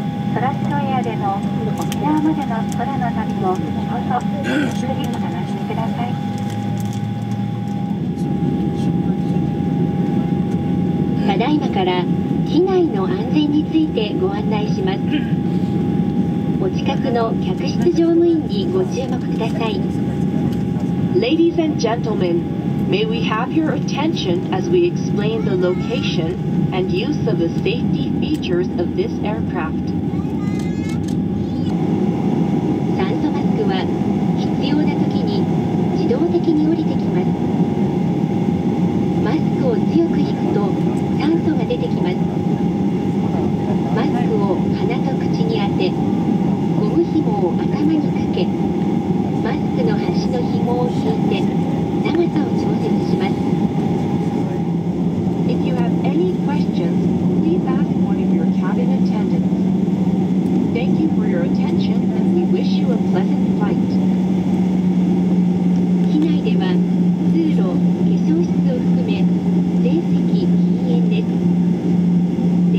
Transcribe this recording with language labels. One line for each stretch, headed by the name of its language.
Japanese: トラッシュエアでの沖縄までの空の旅もどうぞゆっくりお楽しみください。ただいまから機内の安全についてご案内します。お近くの客室乗務員にご注目ください。
English: Ladies and gentlemen, may we have your attention as we explain the location and use of the safety features of this aircraft.
Japanese: 酸素マスクは必要な時に自動的に降りてきます。マスクを強く引くと酸素が出てきます。マスクを鼻と口に当て、ゴム紐を頭にかけ、マスクの端の紐を引いて長さを調節します。
English: If you have any questions, please ask one of your cabin attendants. Thank you for your attention and we wish you a pleasant flight.
Japanese: 機内では通路、化粧室を含め全席禁煙です。